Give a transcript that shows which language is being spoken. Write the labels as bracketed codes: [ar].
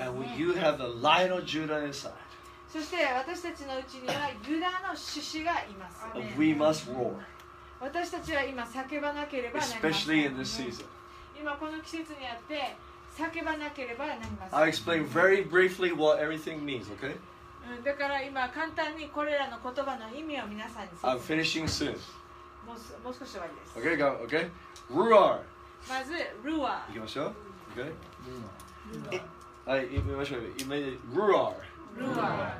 [en] And we, you have the lion of Judah inside. [ja] そして私たちのうちにはユダの獅子がいます。 [en] We must roar. [ja] 私たちは今叫ばなければなりません。 [en] Especially in this season. [ja] 今この季節にあって叫ばなければなりません。 [en] I'll explain very briefly what everything means, okay? [ja] だから今簡単にこれらの言葉の意味を皆さんに。 [en] I'm finishing soon. [ja] もう少し終わりです。 [en] Okay, go. Okay. Ruar. [ja] まず、Ruar. 行きましょう。Okay. Ruar. はい、行きましょう。今で、Ruar. Ruar.